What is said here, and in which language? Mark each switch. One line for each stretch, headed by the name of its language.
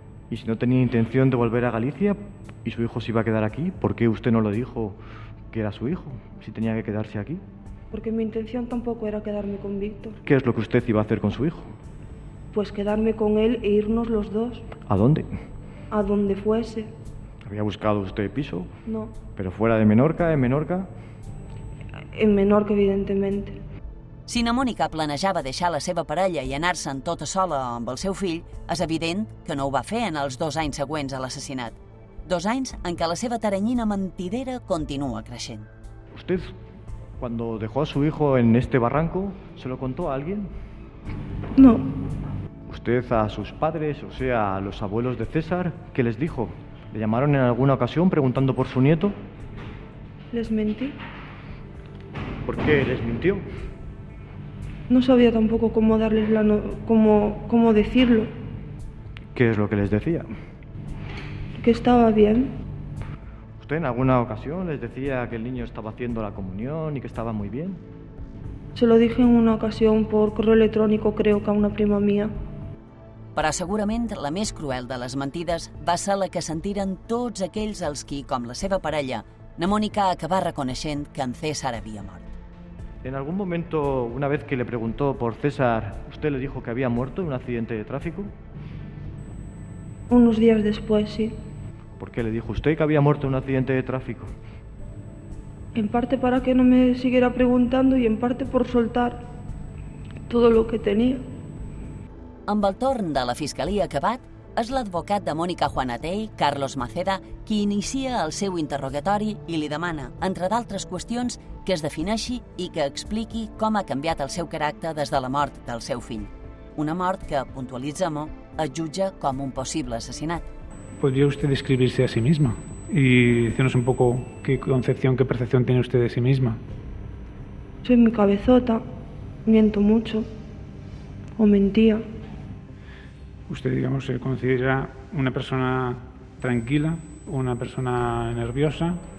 Spanish: ¿Y si no tenía intención de volver a Galicia y su hijo se iba a quedar aquí, por qué usted no le dijo que era su hijo, si tenía que quedarse aquí? Porque mi intención tampoco era quedarme con Víctor. ¿Qué es lo que usted iba a hacer con su hijo? Pues quedarme con él e irnos los dos. ¿A dónde? A donde fuese. ¿Había buscado usted piso? No. ¿Pero fuera de Menorca, en Menorca? En Menorca, evidentemente.
Catalan: Si na Mònica planejava deixar la seva parella i anar-se'n tota sola amb el seu fill, és evident que no ho va fer en els 2 anys següents a l'assassinat. 2 anys en què la seva taranyina mentidera continua creixent.
Spanish: ¿Usted, cuando dejó a su hijo en este barranco, se lo contó a alguien? No. ¿Usted a sus padres, o sea, a los abuelos de César, qué les dijo? ¿Le llamaron en alguna ocasión preguntando por su nieto? Les mentí. ¿Por qué les mintió? No sabía tampoco cómo darles la cómo decirlo. ¿Qué es lo que les decía? Que estaba bien. ¿Usted en alguna ocasión les decía que el niño estaba haciendo la comunión y que estaba muy bien? Se lo dije en una ocasión por correo electrónico, creo que a una prima mía.
Catalan: Però segurament la més cruel de les mentides va ser la que sentiren tots aquells els qui, com la seva parella, na Mònica acabà reconeixent que en César havia mort.
Spanish: ¿En algún momento, una vez que le preguntó por César, usted le dijo que había muerto en un accidente de tráfico? Unos días después, sí. ¿Por qué le dijo usted que había muerto en un accidente de tráfico? En parte para que no me siguiera preguntando y en parte por soltar todo lo que tenía.
Catalan: Amb el torn de la fiscalia acabat, és l'advocat de Mònica Juanatey, Carlos Maceda, qui inicia el seu interrogatori i li demana, entre d'altres qüestions, que es defineixi i que expliqui com ha canviat el seu caràcter des de la mort del seu fill. Una mort que, puntualitza Mo, es jutja com un possible assassinat.
Spanish: ¿Podría usted describirse a sí misma? Y decirnos un poco qué concepción, qué percepción tiene usted de sí misma. Soy mi cabezota, miento mucho, o mentía. ¿Usted, digamos, se considera una persona tranquila, una persona nerviosa?